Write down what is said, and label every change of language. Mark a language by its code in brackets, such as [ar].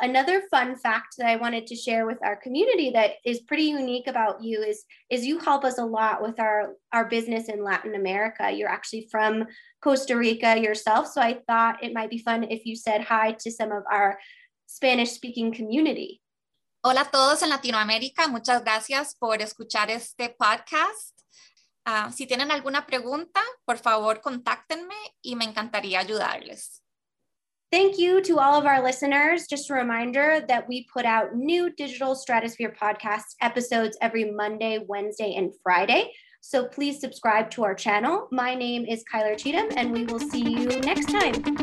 [en] Another fun fact that I wanted to share with our community that is pretty unique about you is you help us a lot with our business in Latin America. You're actually from Costa Rica yourself, so I thought it might be fun if you said hi to some of our Spanish-speaking community. [es] Hola a todos en Latinoamérica. Muchas gracias por escuchar este podcast. Si tienen alguna pregunta, por favor, contáctenme y me encantaría ayudarles. [en] Thank you to all of our listeners. Just a reminder that we put out new Digital Stratosphere podcast episodes every Monday, Wednesday, and Friday. So please subscribe to our channel. My name is Kyler Cheatham, and we will see you next time.